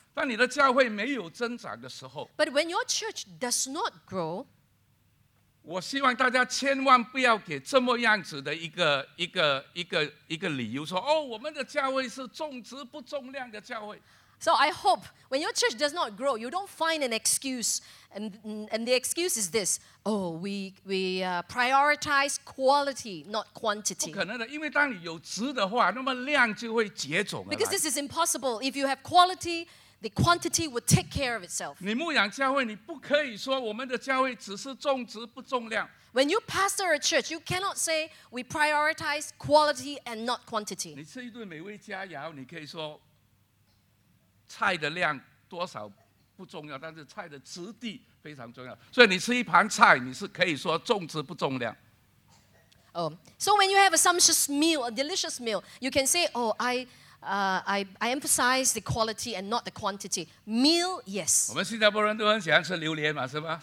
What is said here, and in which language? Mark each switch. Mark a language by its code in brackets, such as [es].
[zh] 当你的教会没有增长的时候 [en] ，But when your church does not grow, [zh] 我希望大家千万不要给这么样子的一个理由说，哦，我们的教会是重质不重量的教会。 [en] So I hope when your church does not grow, you don't find an excuse And the excuse is this: oh, we prioritize quality, not quantity. [zh] 不可能的，因为当你有质的话，那么量就会接踵而来。 [en] Because this is impossible. If you have quality, the quantity would take care of itself. [zh] 你牧养教会，你不可以说我们的教会只是重质不重量。 [en] When you pastor a church, you cannot say we prioritize quality and not quantity. [zh] 你吃一顿美味佳肴，你可以说菜的量多少不重要，但是菜的质地非常重要。所以你吃一盘菜，你是可以说重质不重量。 [en] Oh, so when you have a sumptuous meal, a delicious meal, you can say, "Oh, I emphasize the quality and not the quantity." Meal, yes. [zh] 我们新加坡人都很喜欢吃榴莲嘛，是吧？